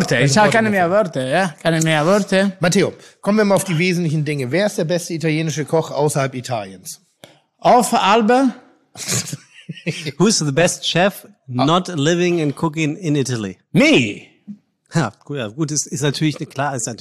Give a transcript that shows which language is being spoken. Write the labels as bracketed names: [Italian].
[German] Ich habe keine mehr Worte, ja? Keine mehr Worte. Matteo, kommen wir mal auf die wesentlichen Dinge. Wer ist der beste italienische Koch außerhalb Italiens? Auf Alba. [English] Who's the best chef not living and cooking in Italy? Me. [German] Ja, gut, ist natürlich eine klare Antwort.